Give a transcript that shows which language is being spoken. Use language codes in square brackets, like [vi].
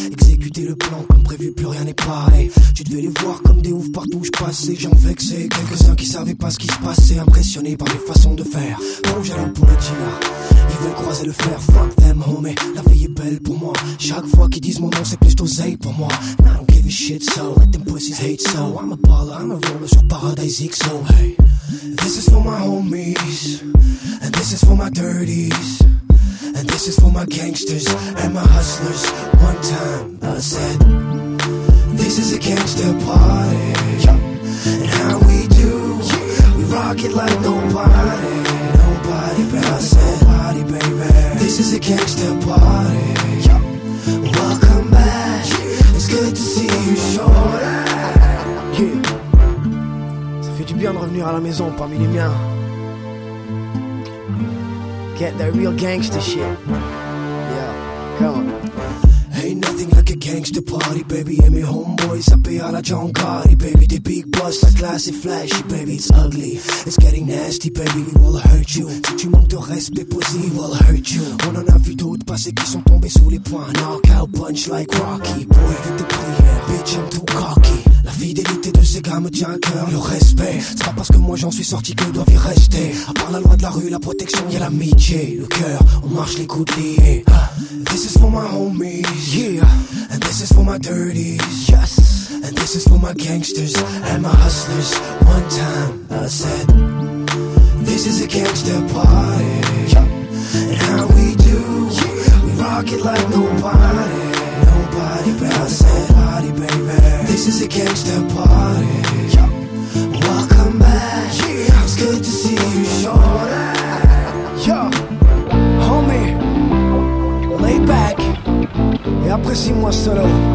[fr] Exécuté le plan, comme prévu, plus rien n'est pareil. Tu devais les voir comme des oufs partout où je passais. J'en vexais quelques-uns qui savaient pas ce qui se passait. Impressionné par les façons de faire, pas où j'allais pour le dire. Ils veulent croiser le fer, [en] fuck them, homie. [fr] La vie est belle pour moi. Chaque fois qu'ils disent mon nom, c'est plus d'oseille pour moi. [en] I don't give a shit, so let them pussies hate, so I'm a baller, I'm a roller sur Paradise XO. Hey. This is for my homies, and this is for my dirties, and this is for my gangsters and my hustlers. One time I said, this is a gangster party, and how we do, we rock it like nobody. Nobody, but I said, nobody, baby. This is a gangster party. Welcome back, it's good to see you, shorty. [fr] Bien de revenir à la maison parmi les miens. [en] Get that real gangster shit. Yeah, come on. Ain't nothing like a gangster party, baby. And me homeboys, I pay all John Gotti, baby. The big bus, the classy, flashy, baby. It's ugly, it's getting nasty, baby. We will hurt you. [fr] Si tu manques de respect, [en] pussy, we will hurt you. [fr] On en a vu d'autres passés qui sont tombés sous les poings. [en] Knockout punch like Rocky. [fr] Boy, vite de prière, bitch, [en] I'm too cocky. [fr] La fidélité de ces gars me tient à cœur, le respect. C'est pas parce que moi j'en suis sorti que doivent y rester. À part la loi de la rue, la protection, y'a l'amitié. Le cœur, on marche les coudes liés. [en] This is for my homies, yeah. And this is for my dirties, yes. And this is for my gangsters and my hustlers. One time I said, this is a gangster party, yeah. And how we do, yeah. We rock it like nobody. Nobody, but I said, party, baby. This is a gangster party, yeah. Welcome back, yeah. It's good to see you, shorty. Yo, homie, lay back [fr] et apprécie-moi solo.